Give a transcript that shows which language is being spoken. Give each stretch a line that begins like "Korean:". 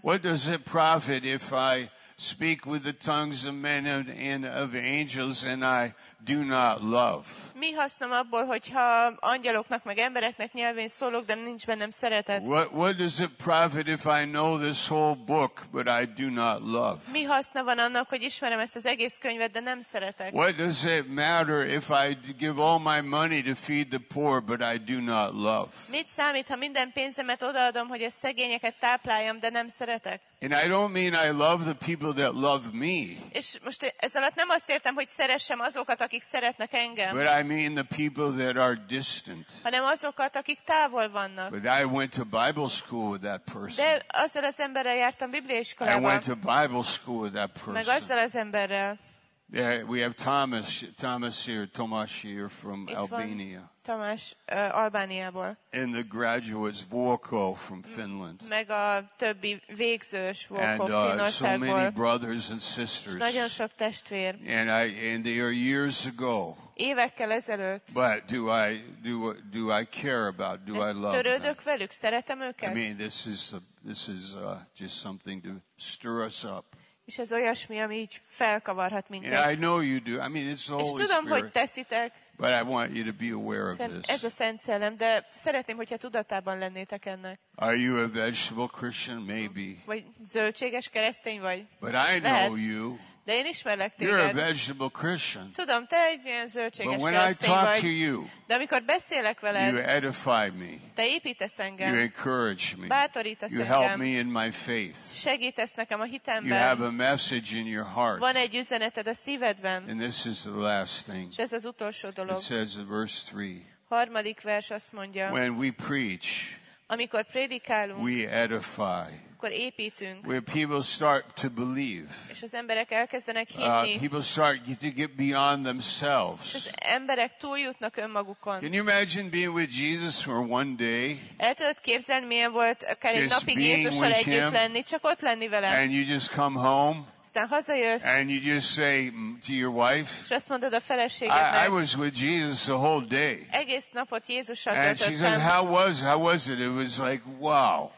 English: What does it profit if I speak with the tongues of men and of angels and I do not love?
Hungarian: Mi hasznom abból, hogyha angyaloknak meg embereknek nyelvén szólok, de nincs bennem szeretet?
English: What does it profit if I know this whole book but I do not love?
Hungarian: Mi haszna van annak, hogy ismerem ezt az egész könyvet, de nem szeretek?
English: What does it matter if I give all my money to feed the poor but I do not love?
Hungarian: Mit számít, ha minden pénzemet odaadom, hogy a szegényeket tápláljam, de nem szeretek?
English: And I don't mean I love the people that love me.
Hungarian: És most ez alatt nem azt értem, hogy szeressem azokat, akik szeretnek engem.
English: But I mean the people that are distant.
Hungarian: Hanem azokat, akik távol vannak.
English: But I went to Bible school with that person.
Hungarian: De azzal az emberrel jártam bibliaiskolába.
English: I went to Bible school with that person.
Hungarian: Meg azzal az emberrel.
English: There, we have Tomás here from Albania.
Hungarian: Tomás Albániából.
English: And the graduates Vuokko from Finland.
Hungarian: Meg a többi végzős Vuokko Finországból.
English: And so many brothers and sisters.
Hungarian: És nagyon sok testvér.
English: And they are years ago.
Hungarian: Évekkel ezelőtt.
English: But do I care about? Do I love?
Hungarian: Törődök velük, szeretem őket.
English: I mean, this is just something to stir us up.
Hungarian: És ez olyasmi, ami így felkavarhat minket.
English: And I know you do. I mean, it's the Holy
Hungarian: Spirit. És tudom,
English: Spirit,
Hungarian: hogy teszitek.
English: But I want you to be aware of this.
Hungarian: Ez a Szent Szellem, de szeretném, hogyha tudatában lennétek ennek.
English: Are you a vegetable Christian? Maybe.
Hungarian: Vagy zöldséges keresztény vagy?
English: But I know you.
Hungarian: De én ismerlek téged.
English: You're a vegetable Christian.
Hungarian: Tudom, te egy ilyen zöldséges
English: But when I talk to you,
Hungarian: de amikor beszélek veled,
English: you edify me.
Hungarian: Te építesz engem.
English: You encourage me.
Hungarian: Bátorítasz engem.
English: You help me in my faith.
Hungarian: Segítesz nekem a hitemben.
English: You have a message in your heart.
Hungarian: Van egy üzeneted a szívedben.
English: And this is the last thing.
Hungarian: És ez az utolsó dolog.
English: It says in verse 3.
Hungarian: Harmadik vers azt mondja.
English: When we preach,
Hungarian: amikor prédikálunk,
English: we edify.
Hungarian: Akkor építünk.
English: Where people start to believe.
Hungarian: És az emberek elkezdenek hinni.
English: People start to get beyond themselves.
Hungarian: És az emberek túljutnak önmagukon.
English: Can you imagine being with Jesus for one day?
Hungarian: El tudod képzelni, milyen volt akár egy napig Jézussal együtt lenni, csak ott lenni vele.
English: And you just come home.
Hungarian: Aztán hazajössz.
English: And you just say to your wife.
Hungarian: És azt mondod a feleségednek.
English: I was with Jesus the whole day.
Hungarian: Egész napot Jézussal töltöttem.
English: And she says, how was it? It was like, wow.